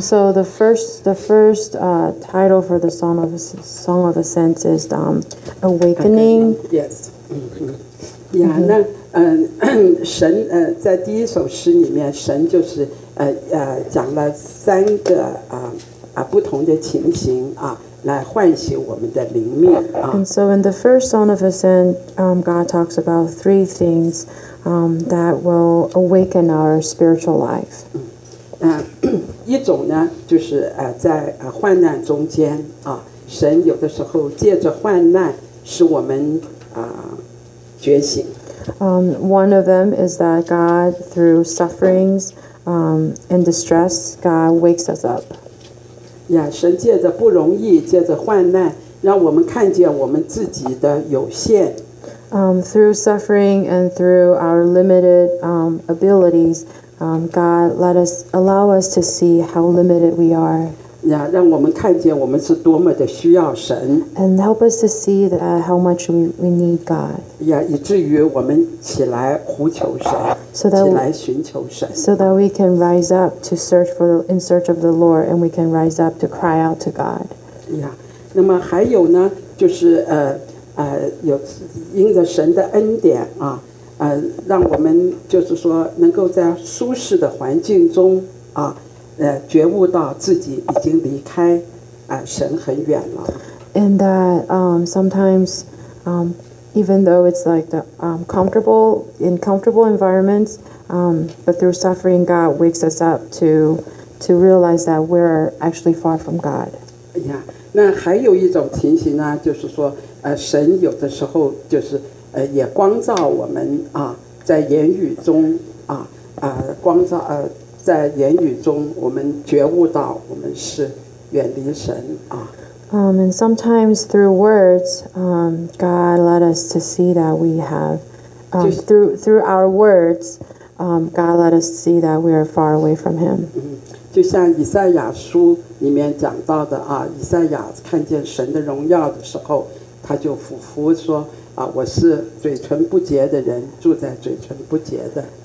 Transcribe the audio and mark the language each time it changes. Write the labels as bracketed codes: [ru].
[en] So the first title for the song of the ascents is awakening. Okay. Yes. Yeah. Mm-hmm. [zh] 神在第一首诗里面，神就是讲了三个不同的情形啊，来唤醒我们的灵命啊。 [en] And so in the first song of ascent, God talks about three things, that will awaken our spiritual life. [zh] 一种呢，就是在患难中间啊，神有的时候借着患难使我们觉醒。 [en] One of them is that God, through sufferings and distress, God wakes us up. [zh] 神借着不容易，借着患难，让我们看见我们自己的有限。 [en] Through suffering and through our limited abilities, God allow us to see how limited we are. [zh] 呀，让我们看见我们是多么的需要神。 [en] And help us to see that how much we need God. [zh] 呀，以至于我们起来呼求神， [en] so that [zh] 起来寻求神。 [en] So that we can rise up to search for in search of the Lord, and we can rise up to cry out to God. [zh] 呀，那么还有呢，就是有因着神的恩典啊。让我们就是说能够在舒适的环境中啊，觉悟到自己已经离开神很远了。 [en] And that sometimes even though it's like the comfortable environments, but through suffering God wakes us up to realize that we're actually far from God. [zh] Yeah, 那还有一种情形呢，就是说神有的时候就是也光照我们啊，在言语中啊，光照在言语中，我们觉悟到我们是远离神啊。 [en] And sometimes through words, God led us to see that we have, through our words, God led us to see that we are far away from Him. [zh] 就像以赛亚书里面讲到的啊，以赛亚看见神的荣耀的时候，他就俯伏说。我是嘴唇不洁的人，住在嘴唇不洁的。